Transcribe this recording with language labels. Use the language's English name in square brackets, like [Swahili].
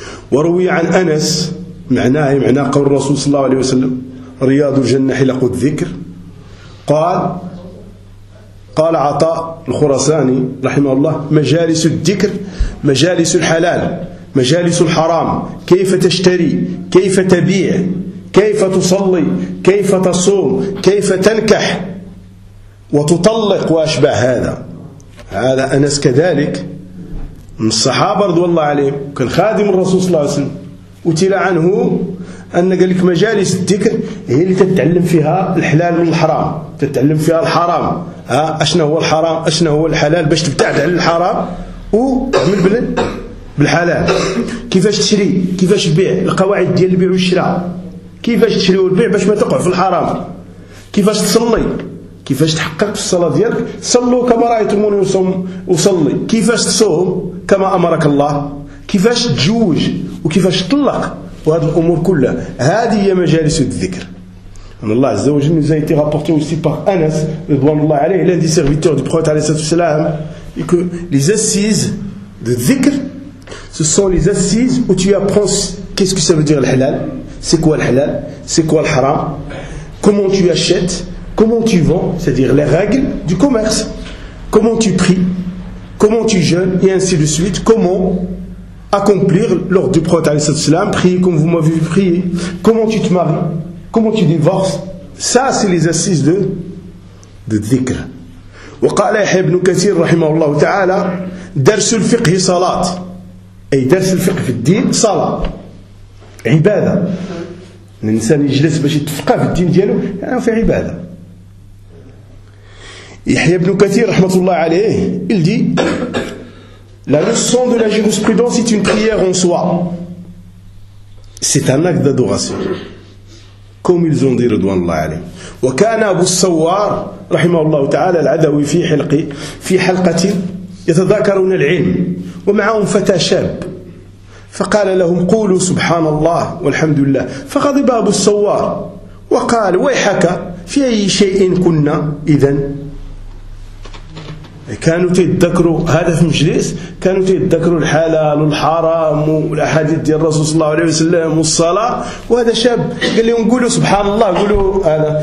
[Arabic] Wa ruwi an Anas ma'naha ma'na qawl Rasul sallallahu alayhi wa sallam riyadul jannah hilaq adh-dhikr qala Ata al-Khurasani rahimahullah majalis adh-dhikr majalis al-halal مجالس الحرام، كيف تشتري، كيف تبيع، كيف تصلي، كيف تصوم، كيف تنكح وتطلق وأشبه هذا. هذا أنس كذلك من الصحابة رضي الله عليهم، كان خادم الرسول صلى الله عليه وسلم، وتلا عنه أن قال لك مجالس الذكر هي اللي تتعلم فيها الحلال والحرام، تتعلم فيها الحرام، ها أشنا هو الحرام أشنا هو الحلال، باش تبتعد عن الحرام ومن بلد بالحلال، كيفاش تشري، كيفاش تبيع، القواعد ديال البيع والشراء، كيفاش تشري والبيع باش ما تقع في الحرام، كيفاش تصلي، كيفاش تحقق في الصلاه ديالك، صلوا كما رايتموني وصوم وصلي، كيفاش تصوم كما امرك الله، كيفاش تجوج وكيفاش تطلق، وهذه الامور كلها هذه هي مجالس الذكر. ان الله عز وجل [French] nous a été rapporté aussi par Anas [Arabic] رضوان الله عليه [French] l'un des serviteurs du prophète [Arabic] عليه الصلاه والسلام [French] et que les assises de dhikr ce sont les assises où tu apprends qu'est-ce que ça veut dire le halal, c'est quoi le halal, c'est quoi le haram, comment tu achètes, comment tu vends, c'est-à-dire les règles du commerce, comment tu pries, comment tu jeûnes, et ainsi de suite, comment accomplir l'ordre du prophète, prier comme vous m'avez vu prier, comment tu te maries, comment tu divorces. Ça, c'est les assises de [Arabic] الذكر. وقال يحيى بن كثير رحمه الله تعالى: درس الفقه صلاة، أي درس الفقه في الدين صلاة عبادة. الإنسان يجلس باش يتفقه في الدين ديالو يعني في عبادة. يحيى بن كثير رحمة الله عليه قال دي: لا [French] leçon de la jurisprudence est une prière en soi. C'est un acte d'adoration. Comme ils ont dit [Arabic] رضوان الله عليه. وكان أبو الصوار رحمه الله تعالى العدوي في حلقي في حلقة يتذاكرون العلم ومعهم فتى شاب، فقال لهم: قولوا سبحان الله والحمد لله. فغضب أبو الصوار وقال: ويحك، في أي شيء كنا إذن؟ كانوا تذكروا هذا في مجلس، كانوا تذكروا الحلال والحرام والأحاديث ديال الرسول صلى الله عليه وسلم والصلاة، وهذا شاب قال لهم: قولوا سبحان الله، قولوا هذا.